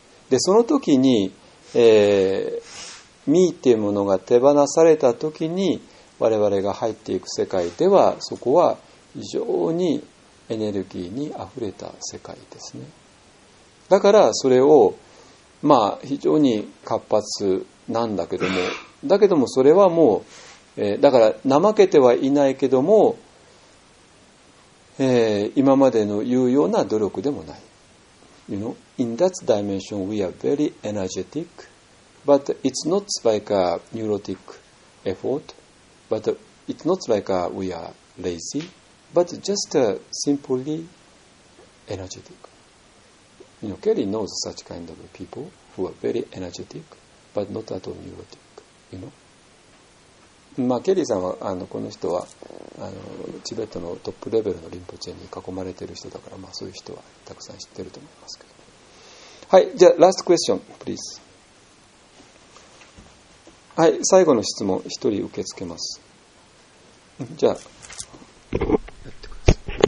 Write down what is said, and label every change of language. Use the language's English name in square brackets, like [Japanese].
[Japanese] で、その時に、ミーっていうものが手放された時に、我々が入っていく世界では、そこは非常にエネルギーにあふれた世界ですね。だからそれを、まあ、非常に活発なんだけども、だけどもそれはもう、だから怠けてはいないけども、今までの言うような努力でもない。 [English] You know, in that dimension we are very energetic, but it's not like a neurotic effort, but it's not like we are lazy, but just simply energetic. You know, Kelly knows such kind of people who are very energetic, but not at all neurotic, you know? [Japanese] まあ、ケリーさんはこの人はチベットのトップレベルのリンポチェに囲まれている人だから、まあ、そういう人はたくさん知ってると思いますけど。はい、じゃあラストクエスチョンプリーズ。はい、最後の質問一人受け付けます。じゃあやってください。